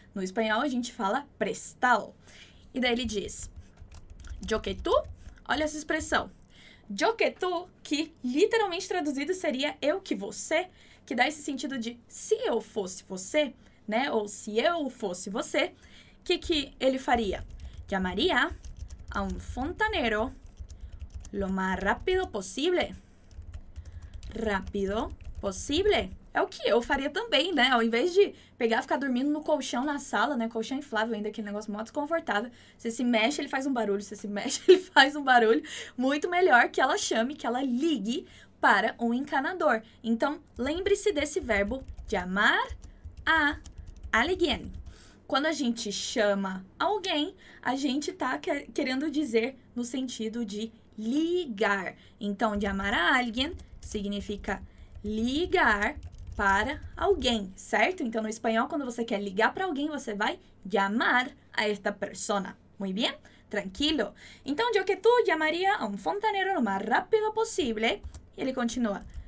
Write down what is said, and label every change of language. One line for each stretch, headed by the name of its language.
Portuguese: No espanhol, a gente fala prestado. E daí ele diz,
Spanish: yo que tú,
Portuguese: olha essa expressão.
Spanish: Yo que tú,
Portuguese: que literalmente traduzido seria eu que você, que dá esse sentido de se eu fosse você, né? Ou se eu fosse você, o que ele faria?
Spanish: Llamaría a un fontanero lo más rápido posible. Rápido posible.
Portuguese: É o que eu faria também, né? Ao invés de pegar e ficar dormindo no colchão na sala, né? Colchão inflável ainda, aquele negócio mó desconfortável. Você se mexe, ele faz um barulho. Você se mexe, ele faz um barulho. Muito melhor que ela chame, que ela ligue para um encanador. Então, lembre-se desse verbo
Spanish: llamar a alguien.
Portuguese: Quando a gente chama alguém, a gente tá querendo dizer no sentido de ligar. Então,
Spanish: llamar a alguien
Portuguese: significa ligar para alguém, certo? Então, no espanhol, quando você quer ligar para alguém, você vai
Spanish: llamar a esta persona. Muy bien? Tranquilo. Então, yo que tú llamaría a un fontanero lo más rápido posible.
Portuguese: E ele continua.